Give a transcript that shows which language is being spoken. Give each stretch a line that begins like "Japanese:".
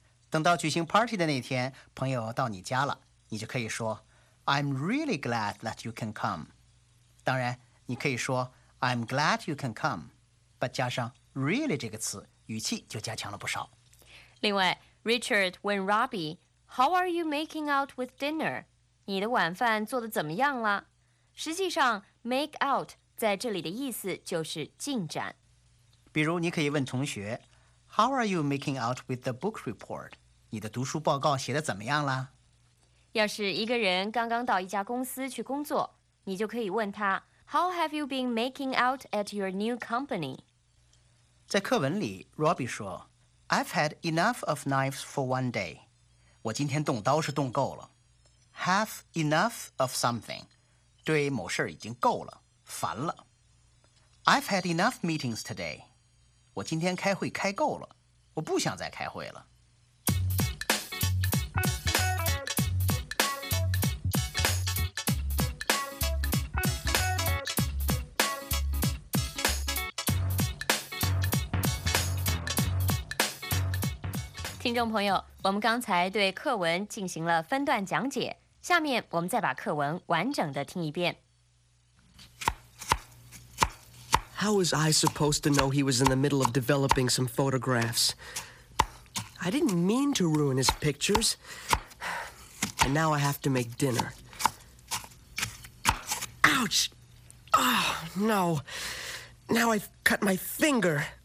Chinese: 等到举行 party 的那天，朋友到你家了，你就可以说
English: I'm really glad that you can come。
Chinese: 当然你可以说
English: I'm glad you can come，
Chinese: but 加上 really 这个词，语气就加强了不少。另外
English: Richard 问 Robbie, How are you making out with dinner?
Chinese: 你的晚饭做得怎么样了？实际上 make out 在这里的意思就是进展。比如你可以问同学
English: How are you making out with the book report?
Chinese: 你的读书报告写得怎么样了？要是一个人刚刚到一家公司去工作，你就可以问他
English: How have you been making out at your new company?
Chinese: 在课文里
English: Robbie 说I've had enough of knives for one day.
Chinese: 我今天动刀是动够了。
English: Have enough of something.
Chinese: 对某事已经够了，烦了。
English: I've had enough meetings today.
Chinese: 我今天开会开够了，我不想再开会了。听众朋友，我们刚才对课文进行了分段讲解，下面我们再把课文完整的听一遍。
English: How was I supposed to know he was in the middle of developing some photographs? I didn't mean to ruin his pictures. And now I have to make dinner. Ouch! Oh, no! Now I've cut my finger!